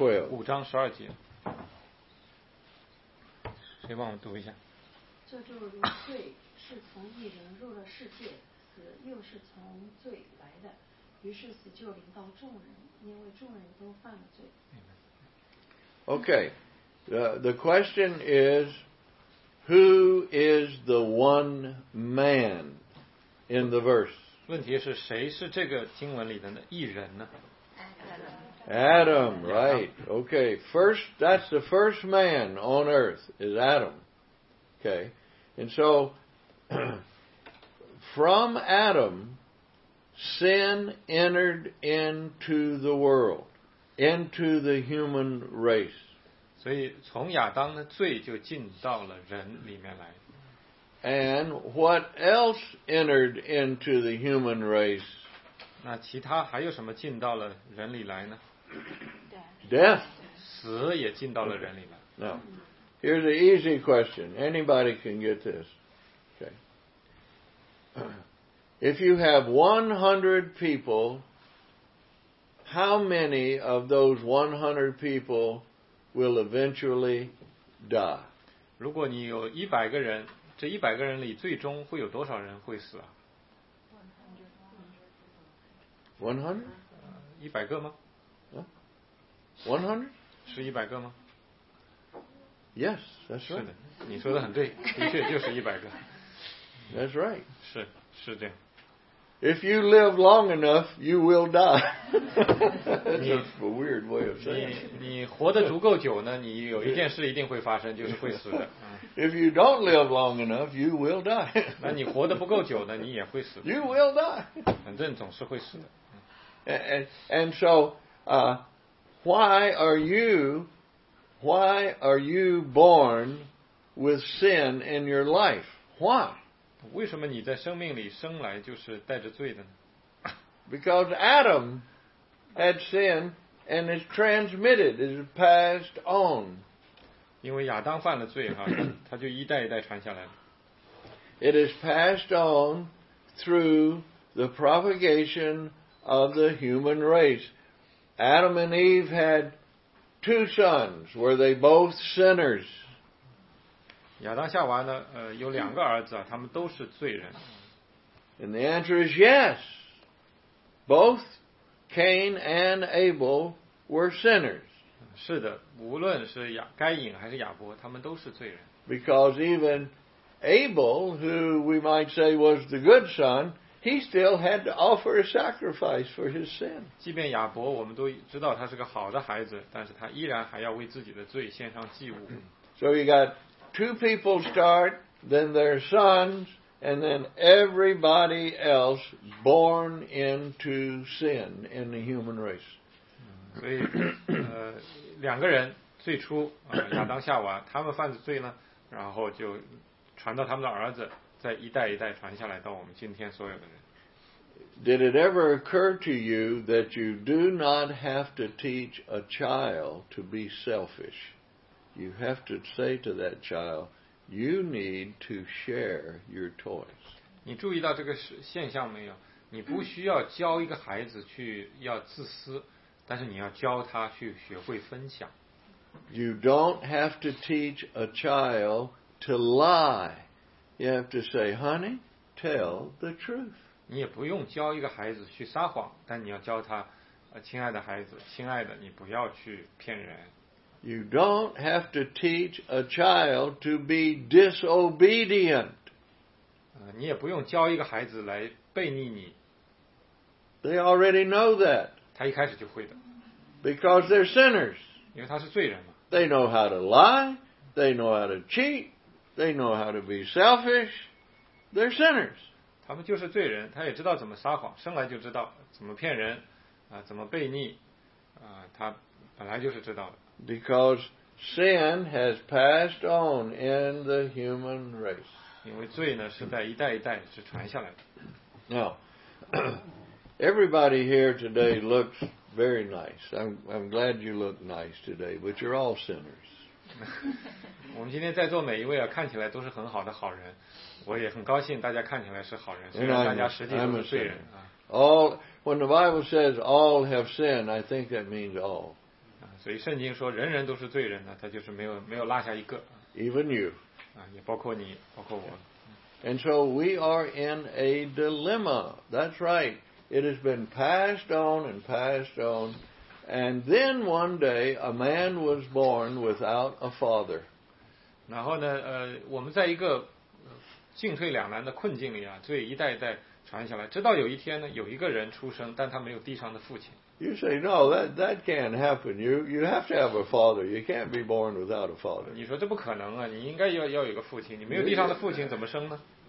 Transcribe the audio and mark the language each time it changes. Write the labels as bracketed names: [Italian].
[Chinese] 五章十二节，谁帮我读一下？这就如罪是从一人入了世界，死又是从罪来的，于是死就临到众人，因为众人都犯了罪。 [English] Okay, the question is, who is the one man in the verse? [Chinese] 问题是谁是这个经文里的那一人呢？ [English] Adam, right. Okay, first, that's the first man on earth is Adam. Okay, and so from Adam, sin entered into the world, into the human race. [Chinese] 所以从亚当的罪就进到了人里面来。 [English] And what else entered into the human race? [Chinese] 那其他还有什么进到了人里来呢？ [English] Death. [Chinese] 死也进到了人里来。 [English] No. Here's an easy question. Anybody can get this. Okay. If you have 100 people, how many of those 100 people will eventually die? [Chinese] 如果你有一百个人，这一百个人里最终会有多少人会死啊？ [English] 100? [Chinese] 一百个吗？ [English] 100? [Chinese] 是一百个吗？ [English] Yes, that's right. [Chinese] 是的，你说的很对，的确就是一百个。 [English] That's right. [Chinese] 是，是这样。 [English] If you live long enough, you will die. That's a weird way of saying it. [Chinese] 你活得足够久呢，你有一件事一定会发生，就是会死的。 [English] If you don't live long enough, you will die. [Chinese] 那你活得不够久呢，你也会死。 [English] You will die. [Chinese] 反正总是会死的。 [English] And so, why are you born with sin in your life? Why? [Chinese] 为什么你在生命里生来就是带着罪的呢？ [English] Because Adam had sin and is transmitted, is passed on. [Chinese] 因为亚当犯了罪哈，他就一代一代传下来了。 [English] It is passed on through the propagation of the human race. Adam and Eve had two sons. Were they both sinners? [Chinese] 亚当夏娃呢？有两个儿子啊，他们都是罪人。 [English] And the answer is yes. Both Cain and Abel were sinners. [Chinese] 是的，无论是该隐还是亚伯，他们都是罪人。 [English] Because even Abel, who we might say was the good son, he still had to offer a sacrifice for his sin. [Chinese] 即便亚伯，我们都知道他是个好的孩子，但是他依然还要为自己的罪献上祭物。 [English] So you got. Two people start, then their sons, and then everybody else born into sin in the human race. [Chinese] 所以，两个人最初，亚当夏娃，他们犯的罪呢，然后就传到他们的儿子，再一代一代传下来到我们今天所有的人。 [English] Did it ever occur to you that you do not have to teach a child to be selfish? You have to say to that child, you need to share your toys. [Chinese] 你注意到这个现象没有？你不需要教一个孩子去要自私，但是你要教他去学会分享。 [English] You don't have to teach a child to lie. You have to say, honey, tell the truth. [Chinese] 你也不用教一个孩子去撒谎，但你要教他，亲爱的孩子，亲爱的，你不要去骗人。 [English] You don't have to teach a child to be disobedient. [Chinese] 你也不用教一个孩子来背逆你。 [English] They already know that. [Chinese] 他一开始就会的。 [English] Because they're sinners. [Chinese] 因为他是罪人嘛。 [English] They know how to lie. They know how to cheat. They know how to be selfish. They're sinners. [Chinese] 他们就是罪人，他也知道怎么撒谎，生来就知道怎么骗人，怎么背逆，他本来就是知道的。 [English] Because sin has passed on in the human race. [Chinese] 因为罪呢是在一代一代是传下来的。 [English] Now, everybody here today looks very nice. I'm glad you look nice today, but you're all sinners. [Chinese] 我们今天在座每一位啊，看起来都是很好的好人。我也很高兴大家看起来是好人，虽然大家实际都是罪人啊。 [English] All when the Bible says all have sinned, I think that means all. [Chinese] 所以圣经说人人都是罪人呢，他就是没有落下一个。 [English] Even you. [Chinese] 也包括你，包括我。 [English] And so we are in a dilemma. That's right. It has been passed on and passed on. And then one day a man was born without a father. [Chinese] 然后呢，我们在一个进退两难的困境里啊，罪一代一代传下来，直到有一天呢，有一个人出生，但他没有地上的父亲。 [English] You say, no, that can't happen. You have to have a father. You can't be born without a father. [Chinese] 你说这不可能啊，你应该要有个父亲。你没有地上的父亲怎么生呢？